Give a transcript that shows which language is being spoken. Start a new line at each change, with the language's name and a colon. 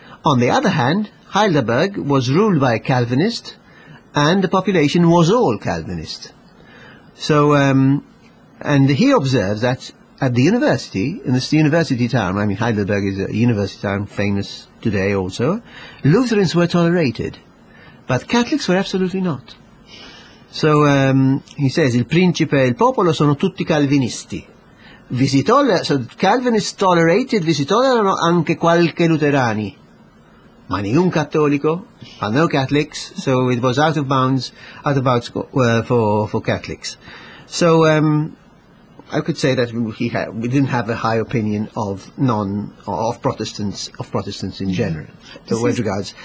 English: On the other hand, Heidelberg was ruled by a Calvinist, and the population was all Calvinist. So, and he observes that at the university, in this university town, I mean, Heidelberg is a university town, famous today also, Lutherans were tolerated, but Catholics were absolutely not. So, he says,
Italian: il principe e il popolo sono tutti calvinisti.
English: So Calvinists tolerated,
Italian: visitò anche qualche luterani. Ma nessun cattolico,
English: but no Catholics, so it was out of bounds for Catholics. So, I could say that we didn't have a high opinion of Protestants in general, with regards.